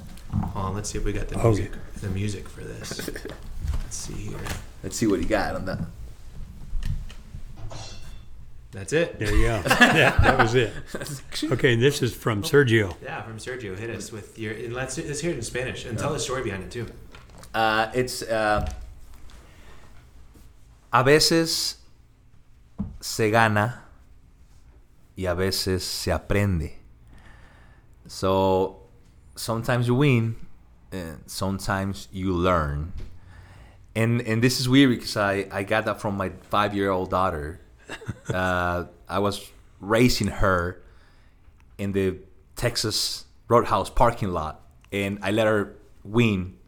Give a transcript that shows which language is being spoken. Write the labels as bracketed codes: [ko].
[en] Hold on, let's see if we got the music for this. Let's see here. Let's see what he got on that. That's it. There you go. Yeah, that was it. Okay, this is from Sergio. Yeah, from Sergio. Hit us with your... And let's hear it in Spanish and tell the story behind it, too. It's... [es] A veces se gana y a veces se aprende. [en] So... Sometimes you win, and sometimes you learn. And this is weird because I got that from my five-year-old daughter. I was raising her in the Texas Roadhouse parking lot, and I let her win.